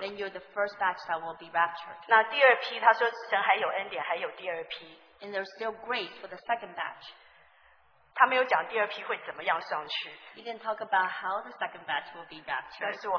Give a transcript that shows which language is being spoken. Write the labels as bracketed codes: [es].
[en] Then you're the first batch that will be raptured. [zh] 那第二批他说神还有恩典还有第二批。 [en] And there's still grace for the second batch. [zh] 他没有讲第二批会怎么样上去。 [en] He didn't talk about how the second batch will be raptured.